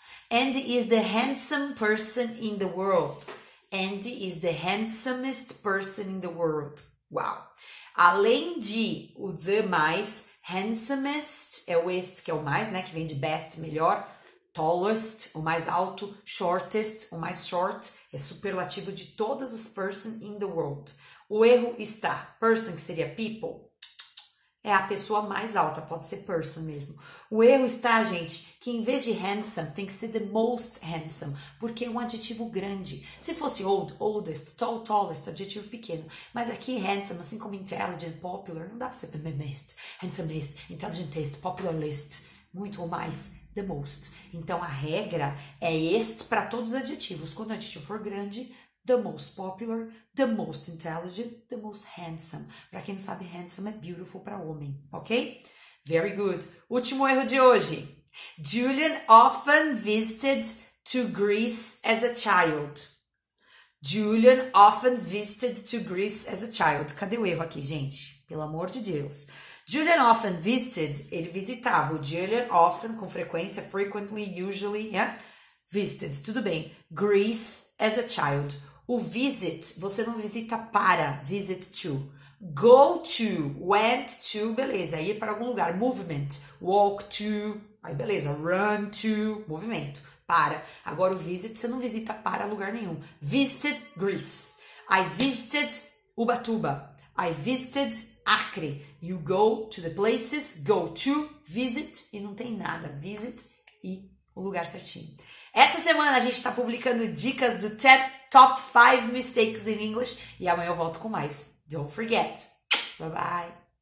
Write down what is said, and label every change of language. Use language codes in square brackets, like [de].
[en] Andy is the handsome person in the world. Andy is the handsomest person in the world. [pt] Uau! Além de o the mais, handsomest é o este que é o mais, né? Que vem de best, melhor. Tallest, o mais alto. Shortest, o mais short. É superlativo de todas as person in the world. O erro está. Person, que seria people, é a pessoa mais alta. Pode ser person mesmo. O erro está, gente, que em vez de handsome, tem que ser the most handsome, porque é um adjetivo grande. Se fosse old, oldest, tall, tallest, adjetivo pequeno. Mas aqui, handsome, assim como intelligent, popular, não dá pra ser the most, handsomest, intelligentest, popularest, muito ou mais, the most. Então, a regra é este para todos os adjetivos. Quando o adjetivo for grande, the most popular, the most intelligent, the most handsome. Para quem não sabe, handsome é beautiful para homem, ok? [en] Very good. [pt] Último erro de hoje. [en] Julian often visited to Greece as a child. Julian often visited to Greece as a child. [pt] Cadê o erro aqui, gente? Pelo amor de Deus. Julian often visited, ele visitava. O Julian often, com frequência, frequently, usually, yeah? Visited, tudo bem. Greece as a child. O visit, você não visita para, visit to. Go to, went to, beleza, ir para algum lugar, movement, walk to, aí beleza, run to, movimento, para. Agora o visit, você não visita para lugar nenhum. [en] Visited Greece, I visited Ubatuba, I visited Acre. You go to the places, go to, visit, [pt] e não tem nada, [en] visit [pt] e o lugar certinho. Essa semana a gente está publicando dicas do Top 5 Mistakes in English e amanhã eu volto com mais. [en] Don't forget. Bye-bye.